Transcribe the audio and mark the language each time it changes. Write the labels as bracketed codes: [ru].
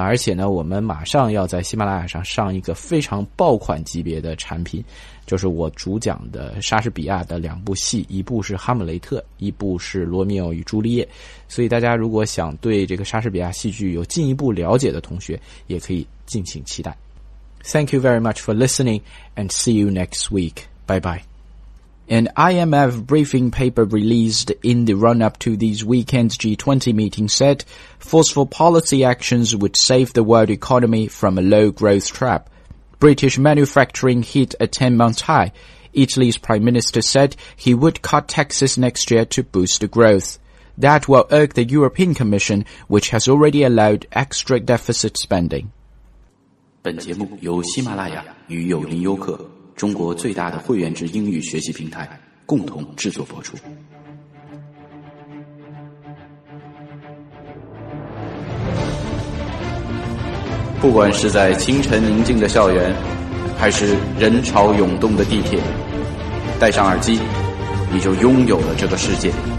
[zh] 而且呢，我们马上要在喜马拉雅上上一个非常爆款级别的产品，就是我主讲的莎士比亚的两部戏，一部是《哈姆雷特》，一部是《罗密欧与朱丽叶》。所以大家如果想对这个莎士比亚戏剧有进一步了解的同学，也可以敬请期待。 [en] Thank you very much for listening, and see you next week. Bye bye. An IMF briefing paper released in the run-up to these weekend's G20 meeting said forceful policy actions would save the world economy from a low-growth trap. British manufacturing hit a 10-month high. Italy's Prime Minister said he would cut taxes next year to boost growth. That will irk the European Commission, which has already allowed extra deficit spending. [zh] 本节目由喜马拉雅与有林优客，中国最大的会员制英语学习平台，共同制作播出。不管是在清晨宁静的校园，还是人潮涌动的地铁，戴上耳机，你就拥有了这个世界。